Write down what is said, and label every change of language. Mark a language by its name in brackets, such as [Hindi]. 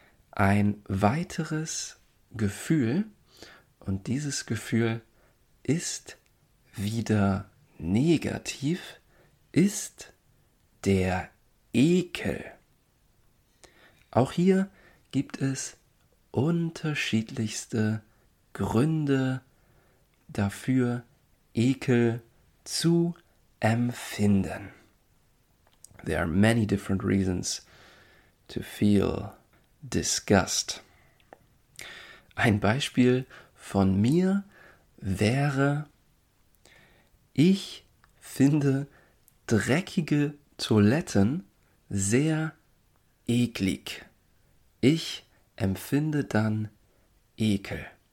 [German] Ein weiteres Gefühl, und dieses Gefühl ist wieder negativ, ist der Ekel. Auch hier gibt es unterschiedlichste Gründe dafür, Ekel zu empfinden. [English] There are many different reasons to feel disgust. [German] Ein Beispiel von mir wäre, ich finde dreckige Toiletten sehr eklig. Ich empfinde dann Ekel.